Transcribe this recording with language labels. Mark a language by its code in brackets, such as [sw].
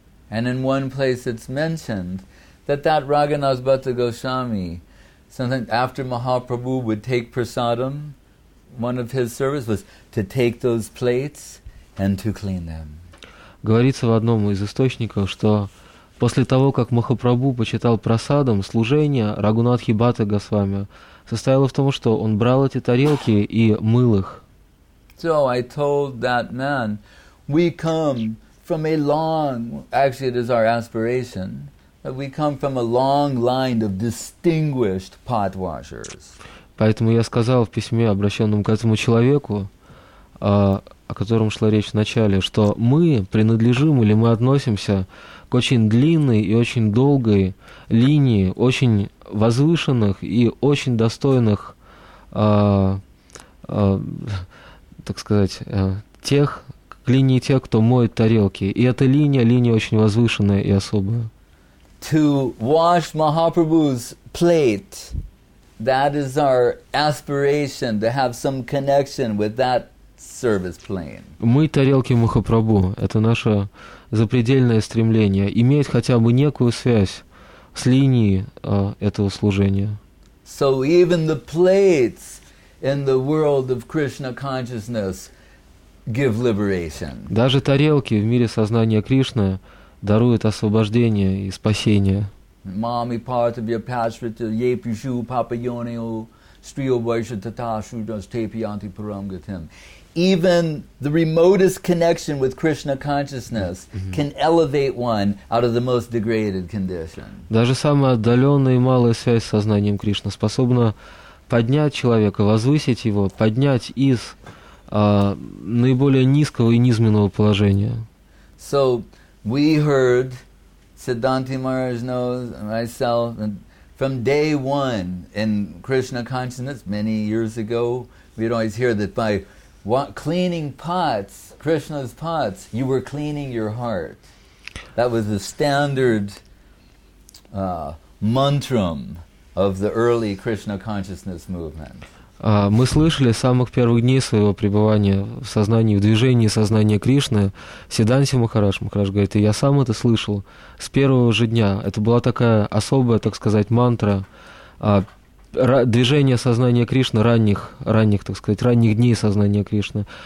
[en] And in one place it's mentioned that that Raghunath Bhatta Goswami, something after Mahaprabhu would take prasadam, one of his service was to take those plates and to clean them. [ru] Говорится в одном из источников, что после того, как Махапрабху почитал прасадом, служение Рагунатхи Бхатта Госвами состояло в том, что он брал эти тарелки и мыл их. [en] So I told that man, we come from a long, actually it is our aspiration, that we come from a long line of distinguished pot washers. [ru] Поэтому я сказал в письме, обращенном к этому человеку, о котором шла речь в начале, что мы принадлежим или мы относимся к очень длинной и очень долгой линии очень возвышенных и очень достойных, так сказать, тех, к линии тех, кто моет тарелки. И эта линия, очень возвышенная и особая. [en] To wash Mahaprabhu's plate, that is our aspiration, to have some connection with that service plane. [ru] Мы тарелки Махапрабху. Это наше запредельное стремление иметь хотя бы некую связь с линией этого служения. [en] So even the plates in the world of Krishna consciousness give liberation. [ru] Даже тарелки в мире сознания Кришны даруют освобождение и спасение. [sa] Mami Parthavya Pashvita Yepishu Papayonio Striyo Vaisha Tatashu Das Tepianti Paramgatim. [en] Even the remotest connection with Krishna consciousness can elevate one out of the most degraded condition. [ru] Даже самая отдаленная и малая связь с сознанием Кришны способна поднять человека, возвысить его, поднять из наиболее низкого и низменного положения. [en] So we heard Siddhanti Maharaj knows myself and from day one in Krishna consciousness many years ago, we'd always hear that by cleaning pots, Krishna's pots, you were cleaning your heart. That was the standard mantram of the early Krishna consciousness movement. [ru] Мы слышали с самых первых дней своего пребывания в сознании, в движении сознания Кришны, Сиддханти Махарадж, говорит, и я сам это слышал с первого же дня. Это была такая особая, так сказать, мантра, движение сознания Кришны ранних дней сознания Кришны.